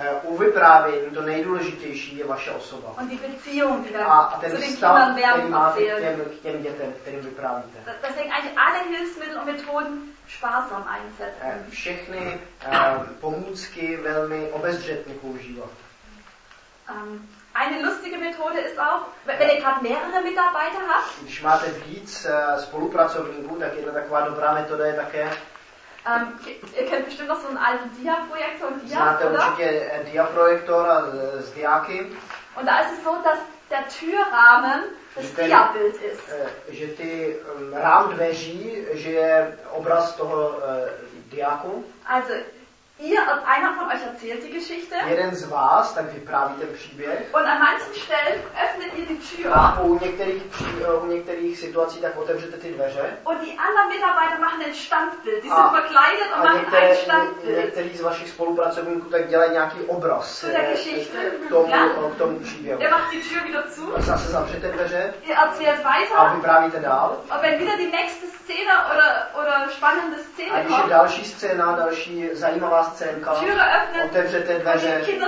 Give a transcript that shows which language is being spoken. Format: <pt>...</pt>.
<cs>U vyprávění to nejdůležitější je vaše osoba.</cs> <de>Und die Beziehung, die wir zu den Kindern werden erzählen.</de> <cs>K těm dětem, kterým vyprávíte.</cs> <de>Das denke eigentlich alle Hilfsmittel und Methoden sparsam einsetzen.</de> <cs>Všechny pomůcky velmi obezřetně používat.</cs> <de>Eine lustige Methode ist auch, wenn ihr gerade mehrere Mitarbeiter habt.</de> <cs>Když máte víc spolupracovníků, tak jedna taková dobrá metoda je také.</cs> <de>Ihr kennt bestimmt noch so einen alten Dia-Projektor und Dia,</de> <cs>znáte</cs> <de>oder?</de> <cs>Znáte určitě Dia-Projektor z Diaky.</cs> <de>Und da ist es so, dass der Türrahmen das Dia-Bild ist.</de> <cs>Že ty rám dveří, že je obraz toho Diaku.</cs> <de>Also, ihr und einer von euch erzählt die Geschichte.</de> <cs>Jeden z vás, tak vyprávíte ten příběh.</cs> <de>Und an manchen Stellen öffnet ihr die Tür.</de> <cs>A u některých situací tak otevřete ty dveře.</cs> <de>Und die anderen Mitarbeiter machen ein Standbild. Die sind verkleidet und machen ein Standbild.</de> <cs>Některý z vašich spolupracovníků tak dělají nějaký obraz.</cs> <de>Zu der Geschichte.</de> <cs>K tomu příběhu.</cs> <de>Er macht die Tür wieder zu.</de> <cs>Zase zavřete dveře.</cs> <de>Ihr erzählt weiter.</de> <cs>A vyprávíte dál.</cs> <de>Und wenn wieder die nächste Szene oder spannende Szene kommt.</de> <cs>A když je další scéna, další zajímavá scénka, otevřete dveře,</cs>